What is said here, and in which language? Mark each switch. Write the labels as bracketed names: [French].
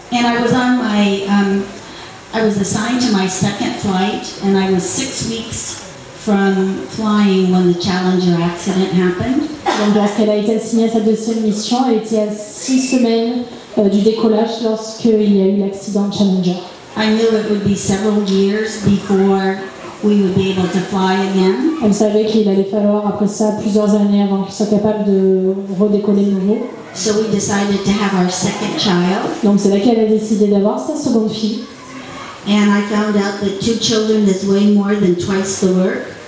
[English] And I was on my I was assigned to my second flight, and I was 6 weeks from flying when the Challenger accident happened. [French] Donc lorsqu'elle a été assignée à sa deuxième mission, elle était à 6 semaines du décollage lorsqu'il y a eu l'accident Challenger. [English] I knew it would be several years before we would be able to fly again. [French] On savait qu'il allait falloir après ça plusieurs années avant qu'il soit capable de redécoller de nouveau. [English] So we decided to have our second child. [French] Donc c'est là qu'elle a décidé d'avoir sa seconde fille. [English] And I found out that two children is way more than twice the work.